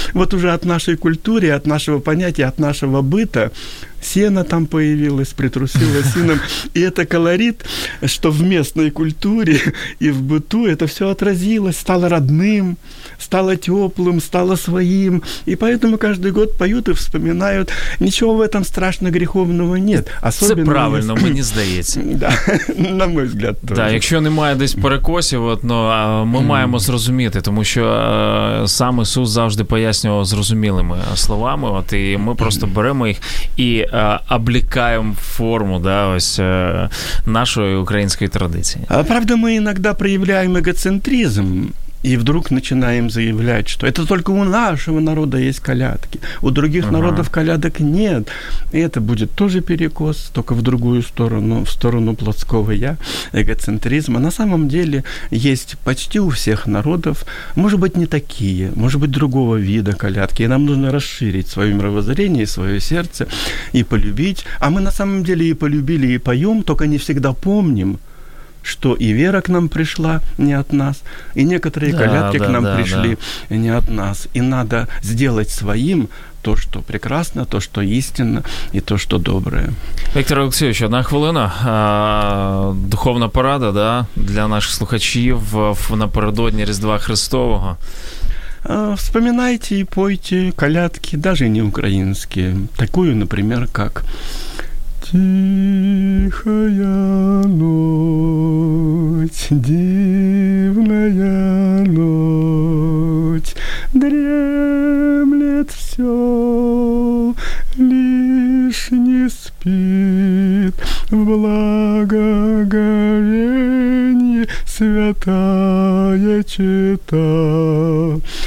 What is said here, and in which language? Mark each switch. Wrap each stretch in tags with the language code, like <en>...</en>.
<ru>Вот уже от нашей культуры, от нашего понятия, от нашего быта сено там появилось,</ru> <uk>притрусило сином.</uk> <ru>И это колорит, что в местной культуре и в быту это все отразилось, стало родным, стало теплым, стало своим. И поэтому каждый год поют и вспоминают. Ничего в этом страшно греховного нет.</ru> <uk>Особенно це правильно, мені здається.</uk> <ru>Да, на мой взгляд, тоже.</ru> <uk>Да, якщо немає десь перекосів, ну, ми маємо зрозуміти, тому що сам Ісус завжди пояснював зрозумілими словами, от, і ми просто беремо їх і облікаємо форму, да, ось нашої української традиції. А правда, ми іноді проявляємо егоцентризм,</uk> <ru>и вдруг начинаем заявлять, что это только у нашего народа есть колядки, у других народов колядок нет. И это будет тоже перекос, только в другую сторону, в сторону плотского «я», эгоцентризма. На самом деле есть почти у всех народов, может быть, не такие, может быть, другого вида колядки. И нам нужно расширить свое мировоззрение и свое сердце и полюбить. А мы на самом деле и полюбили, и поем, только не всегда помним, что и вера к нам пришла не от нас, и некоторые колядки к нам пришли не от нас. И надо сделать своим то, что прекрасно, то, что истинно, и то, что доброе.</ru> <uk>Виктор Олексійович, одна хвилина. Духовна порада, да, для наших слухачів напередодні Різдва Христового.</uk> <ru>Вспоминайте и пойте колядки, даже не украинские. Такую, например, как... Тихая ночь, дивная ночь, дремлет все, лишь не спит в благоговенье святая чета.</ru>